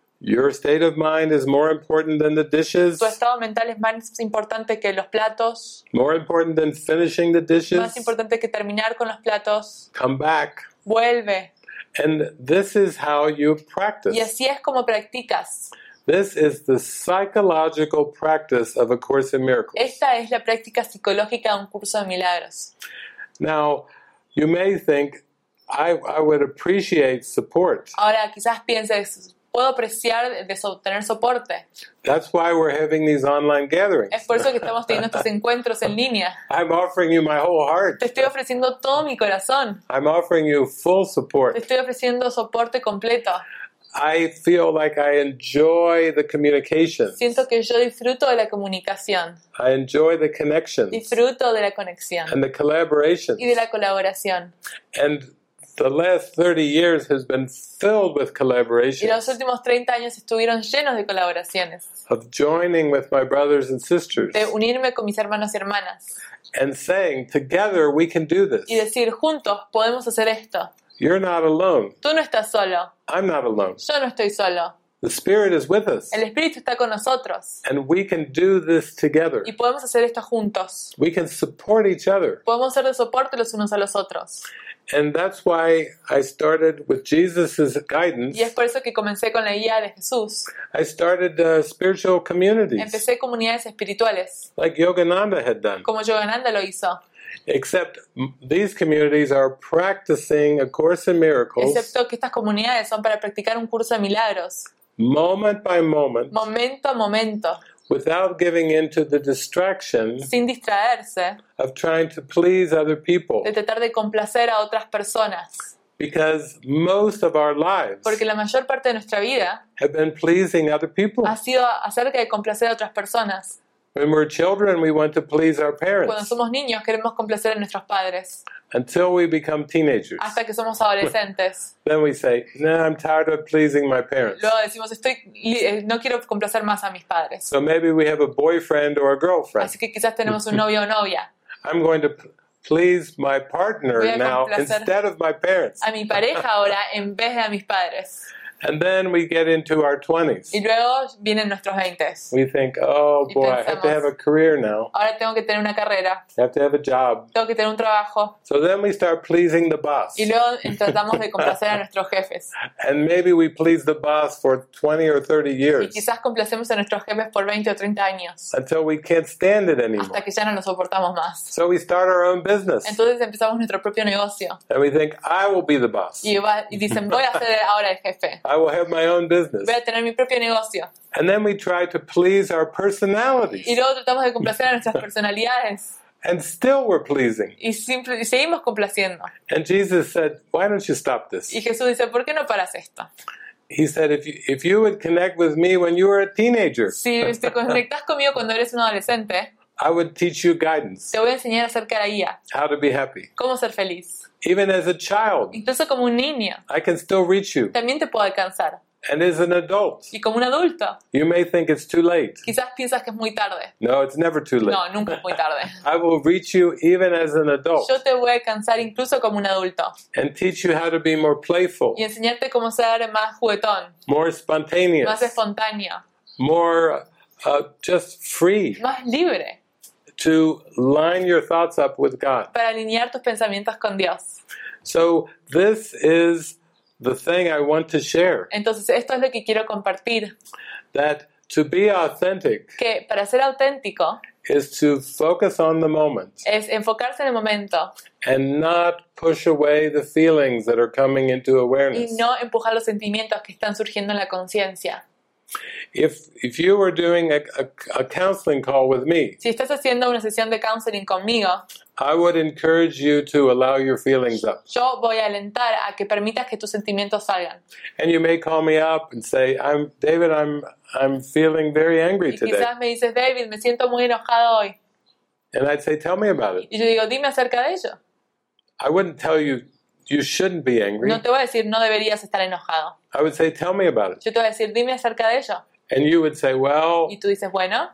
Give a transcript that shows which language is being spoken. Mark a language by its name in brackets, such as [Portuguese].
[English] Your state of mind is more important than the dishes. [Spanish] Tu estado mental es más importante que los platos. [English] More important than finishing the dishes. [Spanish] Más importante que terminar con los platos. [English] Come back. [Spanish] Vuelve. [English] And this is how you practice. [Spanish] Y así es como practicas. [English] This is the psychological practice of A Course in Miracles. [Spanish] Esta es la práctica psicológica de Un Curso de Milagros. [English] Now, you may think I would appreciate support. [Spanish] Ahora quizás pienses puedo apreciar de tener soporte. [English] That's why we're having these online gatherings. [Spanish] Es por eso que estamos teniendo estos encuentros en línea. [English] I'm offering you my whole heart. [Spanish] Te estoy ofreciendo todo mi corazón. [English] I'm offering you full support. [Spanish] Te estoy ofreciendo soporte completo. [English] I feel like I enjoy the communication. [Spanish] Siento que yo disfruto de la comunicación. [English] I enjoy the connections. [Spanish] Disfruto de la conexión. [English] And the collaboration. [Spanish] Y de la colaboración. [English] And the last 30 years has been filled with collaborations. [Spanish] Y los últimos 30 años estuvieron llenos de colaboraciones. [English] Of joining with my brothers and sisters. [Spanish] De unirme con mis hermanos y hermanas. [English] And saying, together we can do this. [Spanish] Y decir, juntos podemos hacer esto. [English] You're not alone. [Spanish] Tú no estás solo. [English] I'm not alone. [Spanish] Yo no estoy solo. [English] The Spirit is with us. [Spanish] El Espíritu está con nosotros. [English] And we can do this together. [Spanish] Y podemos hacer esto juntos. [English] We can support each other. [Spanish] Podemos ser de soporte los unos a los otros. [English] And that's why I started with Jesus's guidance. [Spanish] Y es por eso que comencé con la guía de Jesús. [English] I started spiritual communities. [Spanish] Empecé comunidades espirituales. [English] Like Yogananda had done. [Spanish] Como Yogananda lo hizo. [English] Except these communities are practicing A Course in Miracles. [Spanish] Excepto que estas comunidades son para practicar un curso de milagros. [English] Moment by moment. [Spanish] Momento a momento. [English] Without giving in to the distraction. [Spanish] Sin distraerse. [English] Of trying to please other people. [Spanish] De tratar de complacer a otras personas. [English] Because most of our lives. [Spanish] Porque la mayor parte de nuestra vida. [English] Have been pleasing other people. [Spanish] Ha sido acerca de complacer a otras personas. [English] When we're children, we want to please our parents. [Spanish] Cuando somos niños, queremos complacer a nuestros padres. [English] Until we become teenagers. [Spanish] Hasta que somos adolescentes. [English] Then we say, "Nah, I'm tired of pleasing my parents." [Spanish] Luego decimos, no quiero complacer más a mis padres. [English] So maybe we have a boyfriend or a girlfriend. [Spanish] Así que quizás tenemos un novio o novia. [English] I'm going to please my partner now instead of my parents. [Spanish] A mi pareja ahora en vez de a mis padres. [English] And then we get into our 20s. [Spanish] Y luego vienen nuestros 20s. [English] We think, oh boy, [Spanish] pensamos, [English] I have to have a career now. [Spanish] Ahora tengo que tener una carrera. [English] I have to have a job. [Spanish] Tengo que tener un trabajo. [English] So then we start pleasing the boss. [Spanish] Y luego tratamos de complacer a nuestros jefes. [English] And maybe we please the boss for 20 or 30 years. [Spanish] Y quizás complacemos a nuestros jefes por 20 o 30 años. [English] Until we can't stand it anymore. [Spanish] Hasta que ya no lo soportamos más. [English] So we start our own business. [Spanish] Entonces empezamos nuestro propio negocio. [English] And we think, I will be the boss. [Spanish] Y dicen, voy a ser ahora el jefe. [English] I will have my own business. [Spanish] Voy a tener mi propio negocio. [English] And then we try to please our personalities. [Spanish] Y luego tratamos de complacer a nuestras personalidades. [English] And still we're pleasing. [Spanish] Y simple, y seguimos complaciendo. [English] And Jesus said, "Why don't you stop this?" [Spanish] Y Jesús dice, ¿por qué no paras esto? [English] He said, if you would connect with me when you were a teenager, [Spanish] si te conectas conmigo cuando eres un adolescente, [English] I would teach you guidance. [Spanish] Te voy a enseñar acerca de la guía. [English] How to be happy. [Spanish] Cómo ser feliz. [English] Even as a child. [Spanish] Incluso como un niño. [English] I can still reach you. [Spanish] También te puedo alcanzar. [English] And as an adult. [Spanish] Y como un adulto. [English] You may think it's too late. [Spanish] Quizás piensas que es muy tarde. [English] No, it's never too late. [Spanish] No, nunca es muy tarde. [English] I will reach you even as an adult. [Spanish] Yo te voy a alcanzar incluso como un adulto. [English] And teach you how to be more playful. [Spanish] Y enseñarte cómo ser más juguetón. [English] More spontaneous. [Spanish] Más espontáneo. [English] More just free. [Spanish] Más libre. [English] To line your thoughts up with God. [Spanish] Para alinear tus pensamientos con Dios. [English] So this is the thing I want to share. [Spanish] Entonces esto es lo que quiero compartir. [English] That to be authentic. [Spanish] Que para ser auténtico. [English] Is to focus on the moment. [Spanish] Es enfocarse en el momento. [English] And not push away the feelings that are coming into awareness. [Spanish] Y no empujar los sentimientos que están surgiendo en la conciencia. [English] If you were doing a counseling call with me, [Spanish] si estás haciendo una sesión de counseling conmigo, [English] I would encourage you to allow your feelings up. [Spanish] Yo voy a alentar a que permitas que tus sentimientos salgan. [English] And you may call me up and say, "I'm David. I'm feeling very angry today." [Spanish] Y quizás me dices, David, me siento muy enojado hoy. [English] And I'd say, "Tell me about it." [Spanish] Y yo digo, dime acerca de ello. [English] I wouldn't tell you. You shouldn't be angry. [Spanish] No te voy a decir no deberías estar enojado. [English] I would say tell me about it. [Spanish] Yo te voy a decir dime acerca de ello. [English] And you would say well. [Spanish] Y tú dices bueno.